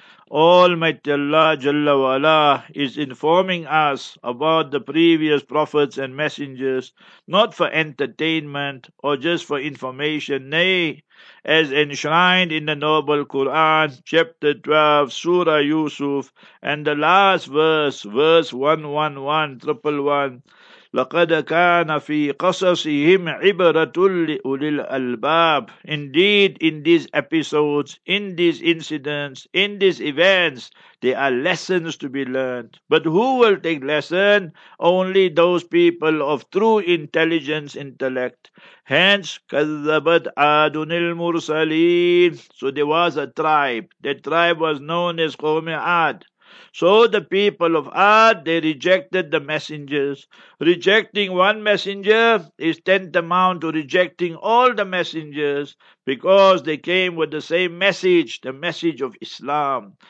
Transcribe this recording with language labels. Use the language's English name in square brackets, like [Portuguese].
[English] Almighty Allah Jalla Wala is informing us about the previous prophets and messengers, not for entertainment or just for information, nay, as enshrined in the noble Quran, chapter 12, Surah Yusuf, and the last verse, verse 111, [Arabic] لَقَدْ كَانَ فِي قَصَصِهِمْ عِبْرَةٌ لِأُولِي الْأَلْبَابِ. [English] Indeed, in these episodes, in these incidents, in these events, there are lessons to be learned. But who will take lesson? Only those people of true intelligence, intellect. Hence, [Arabic] كَذَّبَتْ عَادٌ الْمُرْسَلِينَ. [English] So there was a tribe. That tribe was known as قَوْمِ عَادٍ. So the people of Ad, they rejected the messengers. Rejecting one messenger is tantamount to rejecting all the messengers, because they came with the same message, the message of Islam.